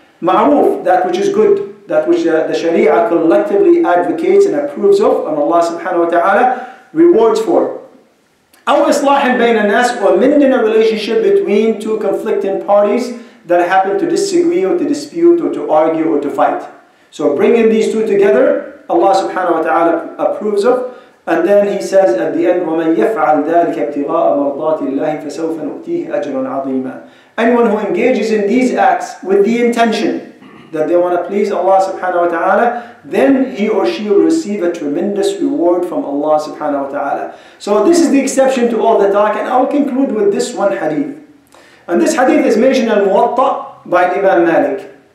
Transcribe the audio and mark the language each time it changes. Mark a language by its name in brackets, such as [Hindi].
[English] معروف, that which is good, that which the Sharia collectively advocates and approves of, and Allah subhanahu wa ta'ala rewards for. [Arabic] أو إصلاح بين الناس, [English] or mending a relationship between two conflicting parties that happen to disagree or to dispute or to argue or to fight. So bringing these two together, Allah subhanahu wa ta'ala approves of. And then he says at the end, [Arabic] وَمَنْ يَفْعَلْ ذَلِكَ ابْتِغَاءَ مَرْضَاتِ اللَّهِ فَسَوْفَ نُؤْتِيهِ أَجْرًا عَظِيمًا. [English] Anyone who engages in these acts with the intention that they want to please Allah subhanahu wa ta'ala, then he or she will receive a tremendous reward from Allah subhanahu wa ta'ala. So this is the exception to all the talk, and I'll conclude with this one hadith. And this hadith is mentioned in Muwatta by Imam Malik.